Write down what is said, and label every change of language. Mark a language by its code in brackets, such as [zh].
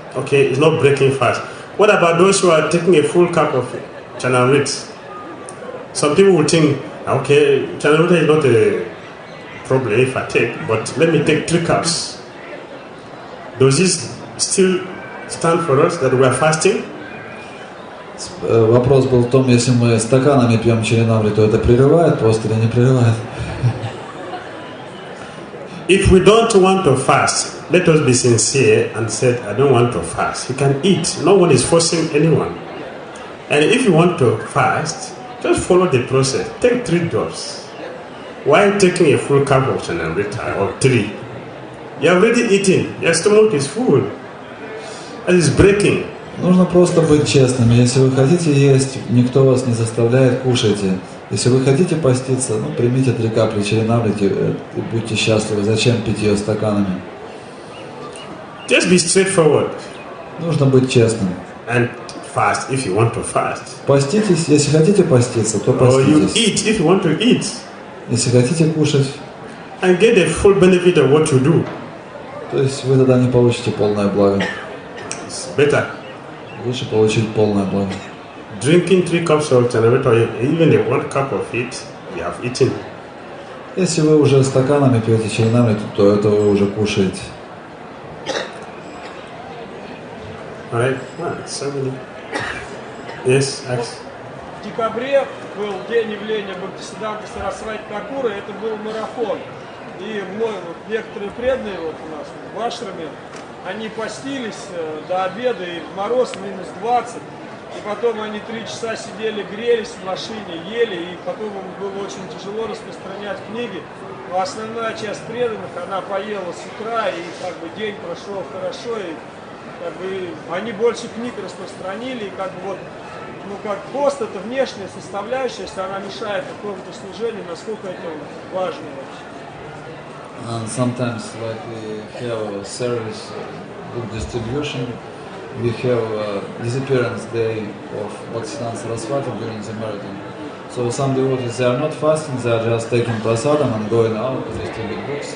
[en] Okay, it's not breaking fast. What about those who are taking a full cup of Chanamrita? Some people will think, okay, Chanamrita is not a problem if I take, but let me take three cups. Does this still stand for us that we are fasting? [ru] Вопрос был в том, если мы стаканами пьем Чанамриту, это прерывает пост или не прерывает? [en] If we don't want to fast, let us be sincere and say, I don't want to fast. You can eat. No one is forcing anyone. And if you want to fast, just follow the process. Take three drops. While taking a full cup of Chanamrita, or three, you're already eating. Your stomach is full. And it's breaking. [ru] Нужно просто быть честными. Если вы хотите есть, никто вас не заставляет, кушайте. Если вы хотите поститься, ну, примите три капли Чаринамриты и будьте счастливы. Зачем пить ее стаканами? [en] Just be straightforward. [ru] Нужно быть честным. [en] And fast if you want to fast. [ru] Поститесь, если хотите поститься, то поститесь. [en] Or you eat if you want to eat. [ru] Если хотите кушать. [en] And get the full benefit of what you do. [ru] То есть вы тогда не получите полное благо. [en] It's better. [ru] Лучше получить полное благо. [en] Drinking three cups of Chanamrita, even one cup of it, you have eaten. [ru] Если вы уже стаканами пьете Чаринамриту, то это вы уже кушаете. [en] Right? So many. Yes, ask. [ru] В декабре был день явления Бхактисиддханты Сарасвати Такура, это был марафон. И мой, вот, некоторые преданные вот у нас в ашраме, они постились до обеда, и в мороз минус 20. И потом они 3 часа сидели, грелись в машине, ели, и потом им было очень тяжело распространять книги. Но основная часть преданных, она поела с утра, и как бы день прошел хорошо, и как бы они больше книг распространили, и как бы вот, ну как пост — это внешняя составляющая, если она мешает какому-то служению, насколько это важно вообще. [en] And sometimes, like we have a service book distribution, we have a disappearance day of Bhaktisiddhanta Sarasvati during the marathon. So some devotees, they are not fasting, they are just taking prasadam and going out to distribute books.